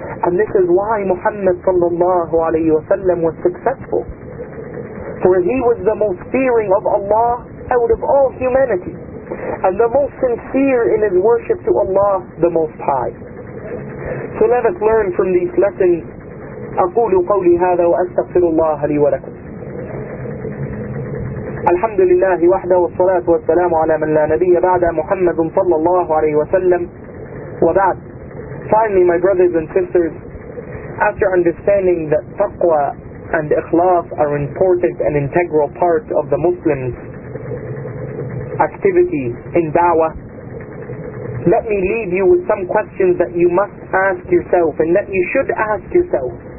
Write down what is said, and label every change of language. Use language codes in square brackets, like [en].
[en] And this is why Muhammad sallallahu alayhi wa sallam was successful. For he was the most fearing of Allah out of all humanity, and the most sincere in his worship to Allah, the Most High. So let us learn from these lessons. [ar] أقول قولي هذا وأستغفر الله لي ولكم. الحمد لله وحده, والصلاة والسلام على من لا نبي بعد, محمد صلى الله عليه وسلم وبعد. [en] Finally, my brothers and sisters, after understanding that taqwa and ikhlas are important and integral part of the Muslim's activity in da'wah, Let me leave you with some questions that you must ask yourself and that you should ask yourself.